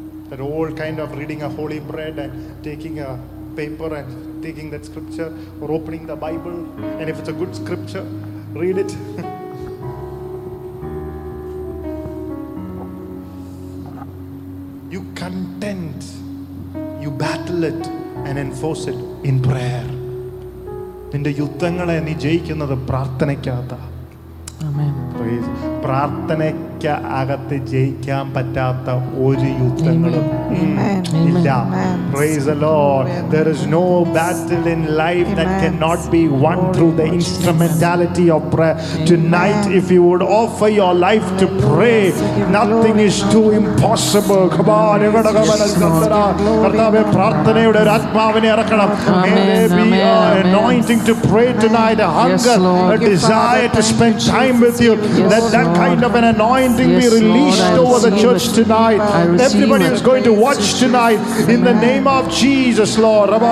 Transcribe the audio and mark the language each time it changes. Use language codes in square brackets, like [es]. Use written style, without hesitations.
[en] That old kind of reading a holy bread and taking a paper and taking that scripture or opening the Bible. And if it's a good scripture, read it. You contend, you battle it and enforce it in prayer. [ml] നിന്റെ യുദ്ധങ്ങളെ നീ ജയിക്കുന്നത് പ്രാർത്ഥനയ്ക്കകത്ത. ആമേൻ. [en] Praise. [ml] പ്രാർത്ഥനയ്ക്ക് അകത്ത് ജയിക്കാൻ പറ്റാത്ത ഒരു യുദ്ധങ്ങളും ഇല്ല. [en] Praise the Lord. There is no battle in life that cannot be won through the instrumentality of prayer. Tonight, if you would offer your life to pray, nothing is too impossible. [ml] Come on, ഇവിടെ കർത്താവേ പ്രാർത്ഥനയുടെ ഒരു ആത്മാവിനെ ഇറക്കണം. [en] May there be an anointing to pray tonight, a hunger, a desire to spend time with you. Let that kind of an anointing be released over the church tonight. Everybody who's going to watch tonight, in the name of Jesus, Lord.